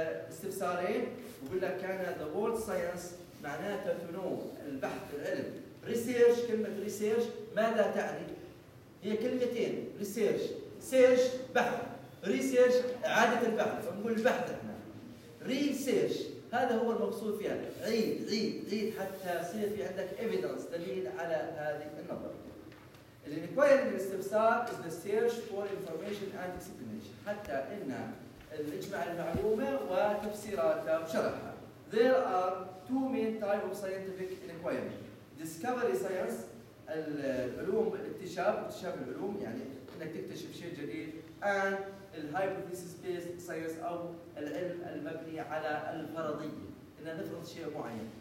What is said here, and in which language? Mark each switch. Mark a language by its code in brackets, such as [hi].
[ar] استفسارين وبقول لك كان [en] the word science [ar] معناته [en] to know [ar] البحث العلم research كلمة research ماذا تعني؟ هي كلمتين research search بحث research إعادة البحث نقول البحث إحنا research هذا هو المقصود فيها عيد عيد عيد حتى يصير في عندك evidence دليل على هذه النظرة. [en] The inquiry الاستفسار is the search for information and explanation [ar] حتى إن نجمع المعلومة وتفسيراتها وشرحها. [en] There are two main types of scientific inquiry. [ar] Discovery science العلوم اكتشاف اكتشاف العلوم يعني إنك تكتشف شيء جديد and الهايبوثيسيس بيس ساينس او العلم المبني على الفرضيه ان نفرض شيء معين.